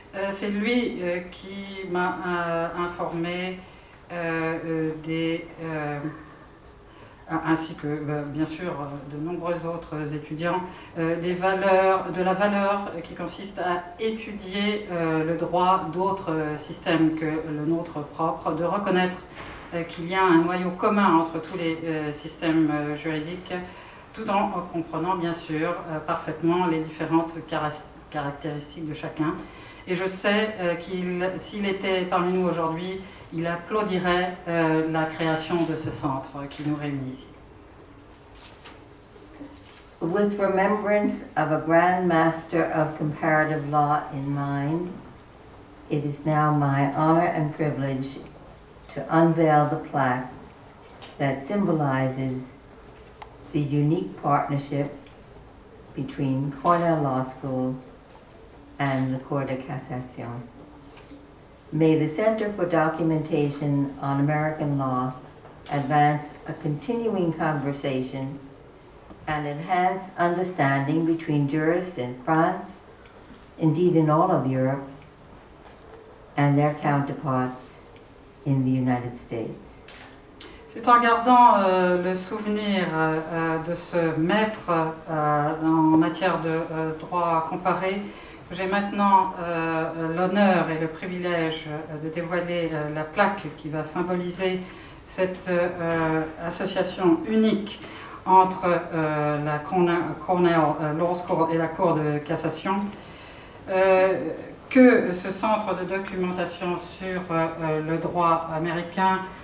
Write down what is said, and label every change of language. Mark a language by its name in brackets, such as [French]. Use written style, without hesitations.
[French] C'est lui qui m'a informé ainsi que bien sûr de nombreux autres étudiants, la valeur qui consiste à étudier le droit d'autres systèmes que le nôtre propre, de reconnaître qu'il y a un noyau commun entre tous les systèmes juridiques, tout en comprenant bien sûr parfaitement les différentes caractéristiques de chacun. Et je sais qu'il, s'il était parmi nous aujourd'hui, il applaudirait la création de ce centre qui nous réunit ici. [English] With remembrance of a grand master of comparative law in mind, it is now my honor and privilege to unveil the plaque that symbolizes the unique partnership between Cornell Law School and the Cour de Cassation. May the Center for Documentation on American Law advance a continuing conversation and enhance understanding between jurists in France, indeed in all of Europe, and their counterparts in the United States. [French] C'est en gardant le souvenir de ce maître en matière de droit comparé. J'ai maintenant l'honneur et le privilège de dévoiler la plaque qui va symboliser cette association unique entre la Cornell Law School et la Cour de Cassation, que ce centre de documentation sur le droit américain